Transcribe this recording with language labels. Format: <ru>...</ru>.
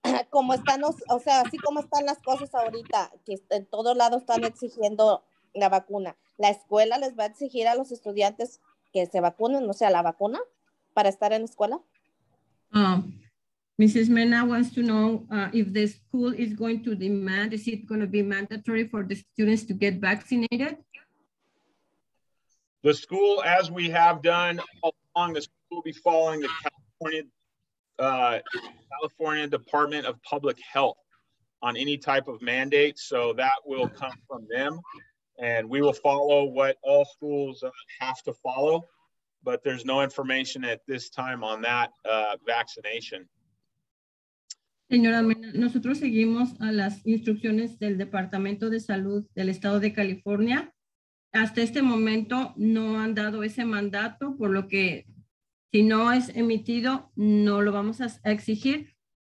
<es>¿Cómo están o sea, así como están las cosas ahorita, que en todos lados están exigiendo la vacuna, la escuela les va a exigir a los estudiantes que se vacunen, o sea, la vacuna para estar en la escuela?</es> <en>Mrs. Mena wants to know if the school is going to demand, is it going to be mandatory for the students to get vaccinated? The school, as we have done all along, the school will be following the California Department of Public Health on any type of mandate. So that will come from them and we will follow what all schools have to follow, but there's no information at this time on that vaccination.</en> <es>Señora Mena, nosotros seguimos a las instrucciones del Departamento de Salud del Estado de California. Hasta este momento no han dado ese mandato, por lo que si no es emitido, no lo vamos a exigir.</es>